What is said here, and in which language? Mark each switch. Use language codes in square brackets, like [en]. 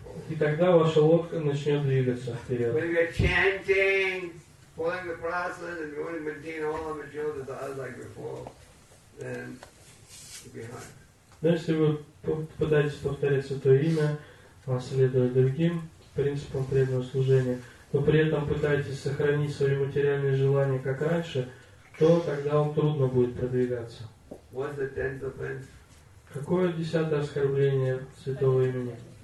[ru] И тогда ваша лодка начнет двигаться вперед. [en] Following the process, if you want to maintain all the material desires like before, then you'll be hard. [ru] Но если вы пытаетесь повторять Святое Имя, следуя другим принципам преданного служения, но при этом пытаетесь сохранить свои материальные желания как раньше, то тогда вам трудно будет продвигаться. [en] What's the tenth offense? [ru] Какое десятое оскорбление Святого Имени?